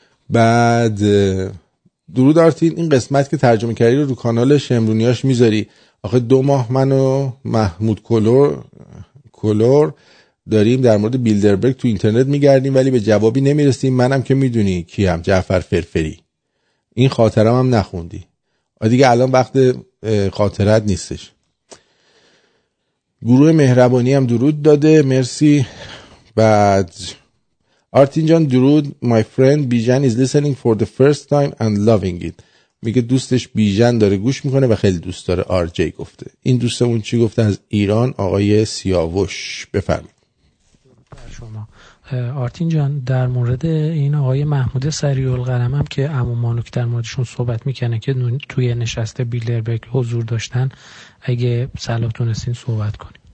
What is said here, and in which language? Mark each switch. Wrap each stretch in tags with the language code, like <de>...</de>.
<fa>بعد درود آرتین، این قسمت که ترجمه کردی رو کانال شمرونیاش میذاری؟ آخه 2 ماه من و محمود کلور داریم در مورد بیلدربرگ تو اینترنت میگردیم ولی به جوابی نمیرسیم. منم که میدونی کیم، جعفر فرفری. این خاطرم هم نخوندی دیگه، الان وقت خاطرت نیستش. گروه مهربانی هم درود داده، مرسی. بعد آرتین جان درود،</fa> <en>my friend بیژن is listening for the first time and loving it.</en> <fa>میگه دوستش بیژن داره گوش میکنه و خیلی دوست داره. آر جی گفته، این دوستمون چی گفته؟ از ایران آقای سیاوش، بفرمایید. شما آرتین جان در مورد این آقای محمود سریع‌القلم هم که عمو مانوک در موردشون صحبت میکنه که توی نشست بیلدربرگ حضور داشتن، اگه صلاح تونستین صحبت کنیم.</fa>